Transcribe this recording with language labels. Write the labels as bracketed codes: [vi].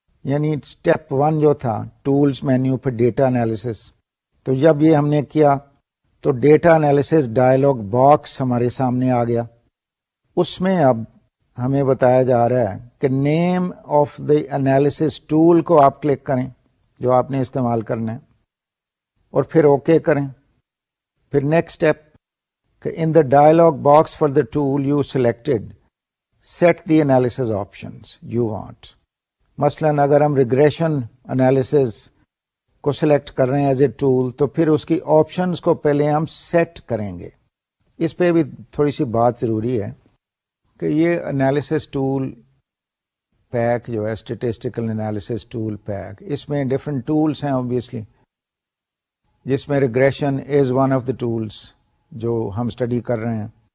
[ur] یعنی step one جو تھا ٹولس مینیو پہ ڈیٹا انالیسس, تو جب یہ ہم نے کیا تو ڈیٹا انالیسس ڈائلاگ باکس ہمارے سامنے آ گیا. اس میں اب ہمیں بتایا جا رہا ہے کہ [en] name of the analysis tool [ur] کو آپ کلک کریں جو آپ نے استعمال کرنا ہے اور پھر اوکے کریں. پھر نیکسٹ اسٹیپ کہ [en] In the dialogue box for the tool you selected set the analysis options you want. [ur] مثلاً اگر ہم ریگریشن انالیسز کو سلیکٹ کر رہے ہیں ایز اے ٹول تو پھر اس کی آپشنز کو پہلے ہم سیٹ کریں گے. اس پہ بھی تھوڑی سی بات ضروری ہے کہ یہ انالیسز ٹول پیک جو ہے اسٹیٹسٹیکل انالیسس ٹول پیک, اس میں ڈفرنٹ ٹولس ہیں اوبیسلی, جس میں [en] regression is one of the tools [ur] جو ہم اسٹڈی کر رہے ہیں.